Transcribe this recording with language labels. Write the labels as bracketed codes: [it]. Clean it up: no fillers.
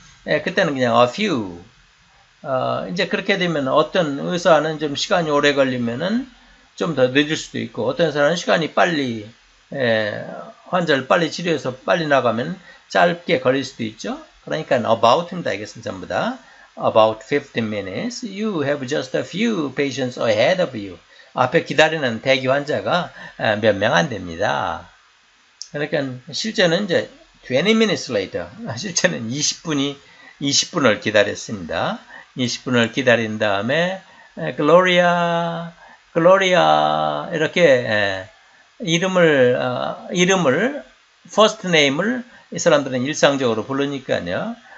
[ko] 그때는 그냥 [en] a few. [ko] 이제 그렇게 되면 어떤 의사는 좀 시간이 오래 걸리면은 좀더 늦을 수도 있고, 어떤 사람은 시간이 빨리, 환자를 빨리 치료해서 빨리 나가면 짧게 걸릴 수도 있죠? 그러니까 about입니다. 이것은 전부 다. [en] About 15 minutes. You have just a few patients ahead of you. [ko] 앞에 기다리는 대기 환자가 몇명안 됩니다. 그러니까 실제는 이제 [en] 20 minutes later, [ko] 실제는 20분을 기다렸습니다. 20분을 기다린 다음에 Gloria, Gloria 이렇게 이름을 first name을 이 사람들은 일상적으로 부르니까요.